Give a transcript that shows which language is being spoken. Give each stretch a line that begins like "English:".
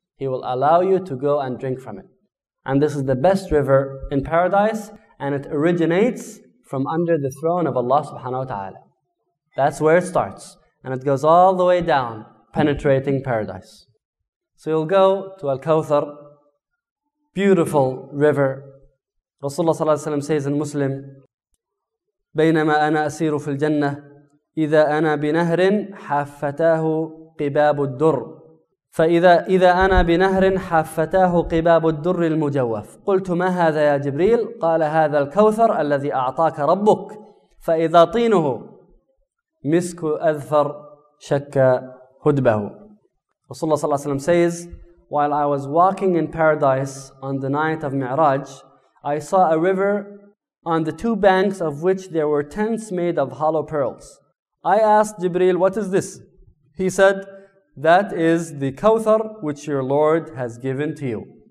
English: He will allow you to go and drink from it. And this is the best river in paradise, and it originates from under the throne of Allah subhanahu wa ta'ala. That's where it starts. And it goes all the way down, penetrating paradise. So you'll go to Al-Kawthar, beautiful river. Rasulullah
Arabic: صلى الله عليه وسلم
English: says in Muslim,
Arabic: بينما أنا أسير في الجنة إذا أنا بنهر حافتاه قباب الدر فإذا أنا بنهر حافتاه قباب الدر المجوف قلت ما هذا يا جبريل قال هذا الكوثر الذي أعطاك ربك فإذا طينه مسك أذفر شك هدبه.
English: Rasulullah
Arabic: صلى الله عليه وسلم
English: says, while I was walking in paradise on the night of Mi'raj, I saw a river on the two banks of which there were tents made of hollow pearls. I asked Jibreel, what is this? He said, that is the Kawthar which your Lord has given to you.